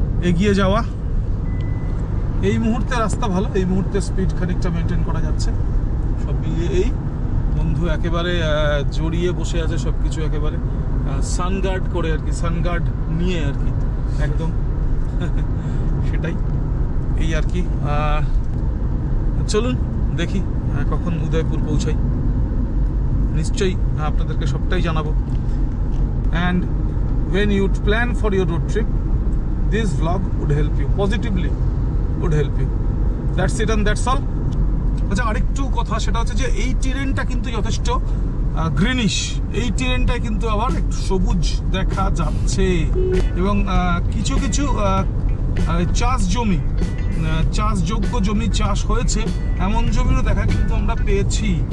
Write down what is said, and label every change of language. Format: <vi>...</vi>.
<bn>এগিয়ে যাওয়া, এই মুহূর্তে রাস্তা ভালো, এই মুহূর্তে স্পিড খানিকটা মেনটেন করা যাচ্ছে, সব মিলিয়ে এই বন্ধু একেবারে জড়িয়ে বসে আছে সব কিছু, একেবারে সানগার্ড করে আর কি, সানগার্ড নিয়ে আর কি, একদম সেটাই, এই আর কি। চলুন দেখি কখন উদয়পুর পৌঁছাই, নিশ্চয়ই আপনাদেরকে সবটাই জানাবো।</bn> <en>and when you plan for your road trip, this vlog would help you positively, would help you. That's it and that's all.</en> <bn>আচ্ছা, আরেকটু কথা, সেটা হচ্ছে যে এই টেরেনটা কিন্তু যথেষ্ট গ্রিনিশ, এই টেরেনটায় কিন্তু আবার একটু সবুজ দেখা যাচ্ছে, এবং কিছু কিছু চাষ জমি, চাষ যোগ্য জমি চাষ হয়েছে, এমন জমিরও দেখা কিন্তু আমরা পেয়েছি।</bn>